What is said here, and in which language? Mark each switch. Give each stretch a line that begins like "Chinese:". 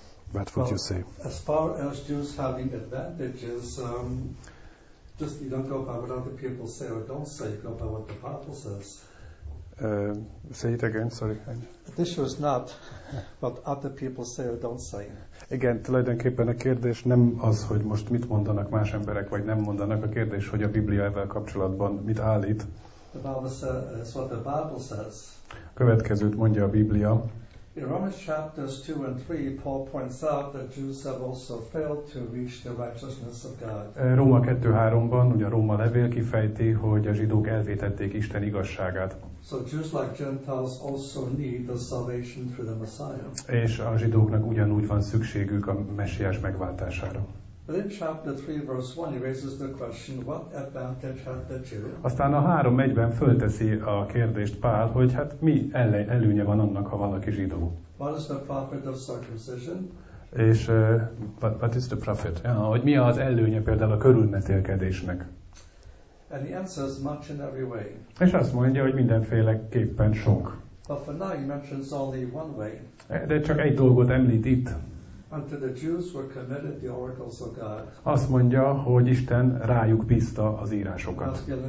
English: What would you say? As far as Jews having advantages, just you don't go by what other people say or don't say, you go by what the Bible says. Say it again, sorry. This was not what other people say or don't say.
Hungarian: Igen, tulajdonképpen a kérdés nem az, hogy most mit mondanak más emberek, vagy nem mondanak, a kérdés, hogy a Biblia ezzel kapcsolatban mit állít.
English: The Bible says what the Bible says.
Hungarian: Következőt mondja a Biblia.
English: In Romans chapters 2 and 3, Paul points out that Jews have also failed to reach the righteousness of God.
Hungarian: Róma 2:3-ban, ugye a Róma levél kifejti, hogy a zsidók elvétették Isten igazságát.
English: So Jews like Gentiles also need the salvation through the Messiah.
Hungarian: És a zsidóknak ugyanúgy van szükségük a Messiás megváltására.
English: But in chapter 3, verse 1, he raises the question, what advantage had the Jew?
Hungarian: Aztán a 3:1-ben fölteszi a kérdést Pál, hogy hát mi előnye van annak, ha valaki zsidó?
English: What is the profit of circumcision? És what is the profit?
Hungarian: Hogy mi az előnye például a körülmetélkedésnek?
English: And he answers much in every way.
Hungarian: És azt mondja, hogy mindenféleképpen sok.
English: But for now he mentions only one way.
Hungarian: De csak egy dolgot említ itt.
English: Unto the Jews were committed the oracles of God.
Hungarian: Azt mondja, hogy Isten rájuk bízta az írásokat.